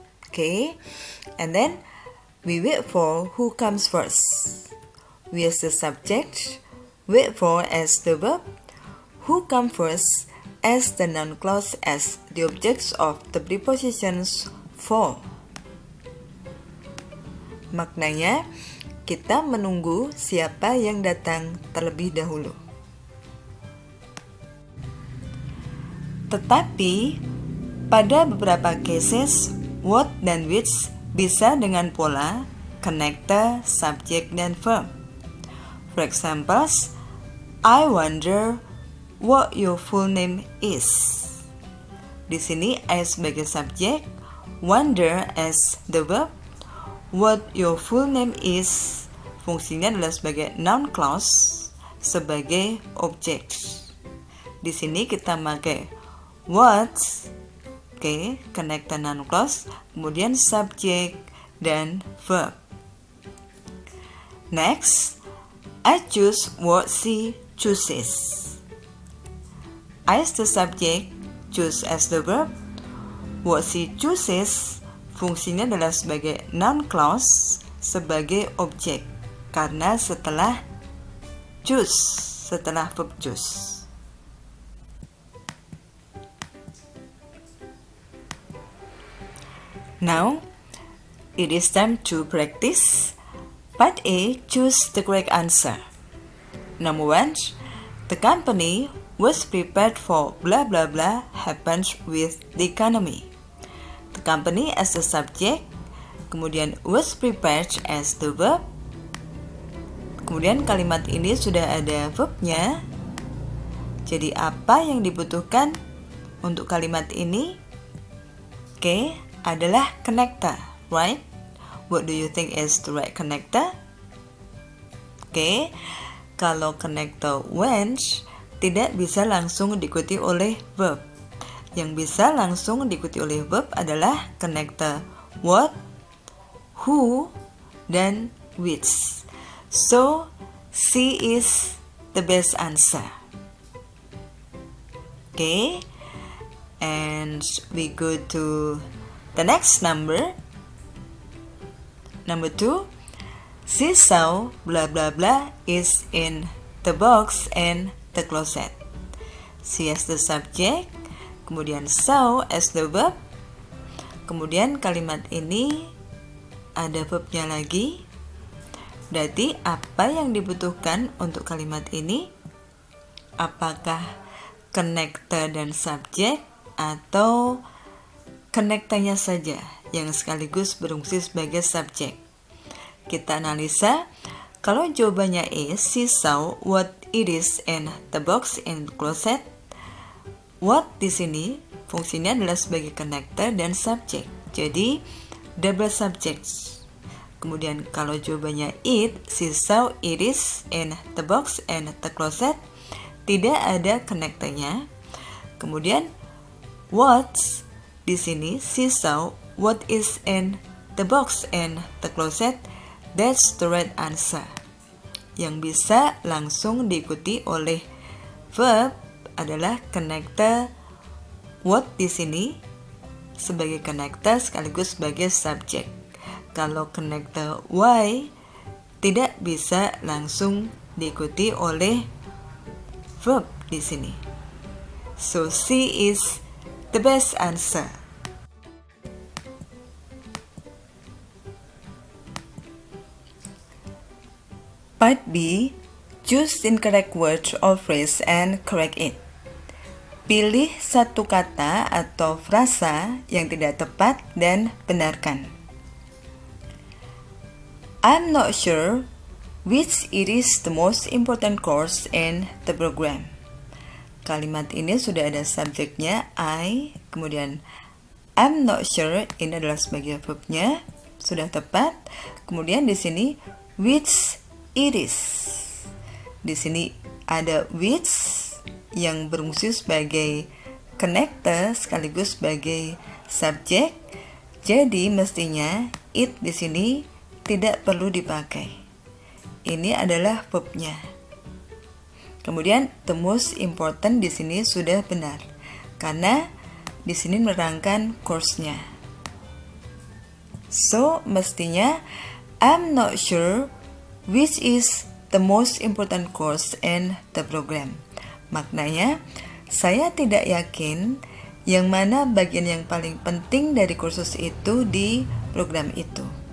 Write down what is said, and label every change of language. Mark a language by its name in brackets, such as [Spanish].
[English] Okay, and then we wait for who comes first. We as the subject, wait for as the verb, who comes first, as the non-clause, as the objects of the prepositions for. [Indonesian] Maknanya, kita menunggu siapa yang datang terlebih dahulu. Tetapi, pada beberapa cases, what dan which bisa dengan pola connector, subject, dan verb. [English] For examples, I wonder what your full name is. [Indonesian] Di sini, I sebagai subject, [English] wonder as the verb. What your full name is, [Indonesian] fungsinya adalah sebagai noun clause, sebagai objek. Di sini kita pakai what, okay, connector noun clause, kemudian subject dan verb. [English] Next, I choose what she chooses. I as the subject, choose as the verb. What she chooses, [Indonesian] fungsinya adalah sebagai non-clause, sebagai objek, karena setelah choose, setelah verb choose. [English] Now, it is time to practice. Part A, choose the correct answer. Number one, the company was prepared for blah blah blah happened with the economy. The company as the subject, [Indonesian] kemudian [English] was prepared as the verb, [Indonesian] Kemudian kalimat ini sudah ada verbnya. Jadi apa yang dibutuhkan untuk kalimat ini? Oke, adalah connector, [English] right? What do you think is the right connector? [Indonesian] Oke, kalau connector went tidak bisa langsung diikuti oleh verb. Yang bisa langsung diikuti oleh verb adalah connector what, who, dan which. [English] So, C is the best answer. Okay, and we go to the next number. Number 2, seesaw blah blah blah is in the box and the closet. C as the subject, [Indonesian] kemudian [English] saw as the verb. [Indonesian] Kemudian kalimat ini ada verbnya lagi. Berarti apa yang dibutuhkan untuk kalimat ini? Apakah connector dan subject atau connectornya saja yang sekaligus berfungsi sebagai subject? Kita analisa. Kalau jawabannya A, [English] she saw what it is in the box in the closet. [Indonesian] What di sini fungsinya adalah sebagai connector dan subject. Jadi double subjects. Kemudian kalau jawabannya it, [English] she saw it is in the box and the closet, [Indonesian] tidak ada connectornya. Kemudian [English] what [Indonesian] di sini, [English] she saw what is in the box and the closet, that's the right answer. [Indonesian] Yang bisa langsung diikuti oleh verb adalah connector what di sini sebagai connector sekaligus sebagai subject. Kalau connector why tidak bisa langsung diikuti oleh verb di sini. [English] So C is the best answer. Part B, choose incorrect word or phrase and correct it. [Indonesian] Pilih satu kata atau frasa yang tidak tepat dan benarkan. [English] I'm not sure which it is the most important course in the program. [Indonesian] Kalimat ini sudah ada subjeknya, I. Kemudian, [English] I'm not sure, [Indonesian] ini adalah sebagai verbnya. Sudah tepat. Kemudian di sini, [English] which it is. [Indonesian] Di sini ada which yang berfungsi sebagai connector sekaligus sebagai subjek. Jadi, mestinya it di sini tidak perlu dipakai. Ini adalah verb-nya. Kemudian [English] the most important [Indonesian] di sini sudah benar karena di sini menerangkan course-nya. [English] So [Indonesian] mestinya [English] I'm not sure which is the most important course in the program. [Indonesian] Maknanya saya tidak yakin yang mana bagian yang paling penting dari kursus itu di program itu.